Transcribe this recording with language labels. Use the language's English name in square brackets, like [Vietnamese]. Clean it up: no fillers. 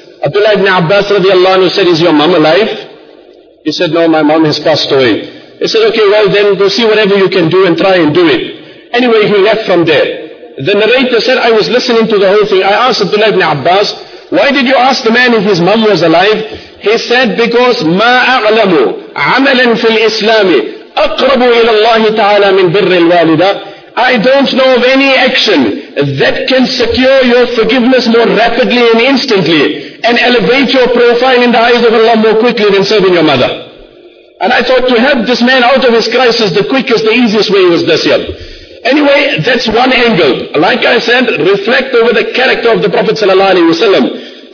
[English] Abdullah ibn Abbas radiallahu anhu said, is your mom alive? He said, no, my mom has passed away. He said, okay, well then go see whatever you can do and try and do it. Anyway, he left from there. The narrator said, I was listening to the whole thing. I asked Abdullah ibn Abbas, why did you ask the man if his mom was alive? He said, because [Arabic] مَا أَعْلَمُ عَمَلًا فِي الْإِسْلَامِ أَقْرَبُ إِلَى اللَّهِ تَعَالَى مِنْ بِرِّ الْوَالِدَةِ. [English] I don't know of any action that can secure your forgiveness more rapidly and instantly and elevate your profile in the eyes of Allah more quickly than serving your mother. And I thought, to help this man out of his crisis, the quickest, the easiest way was this year. Anyway, that's one angle. Like I said, reflect over the character of the Prophet sallallahu alaihi wasallam.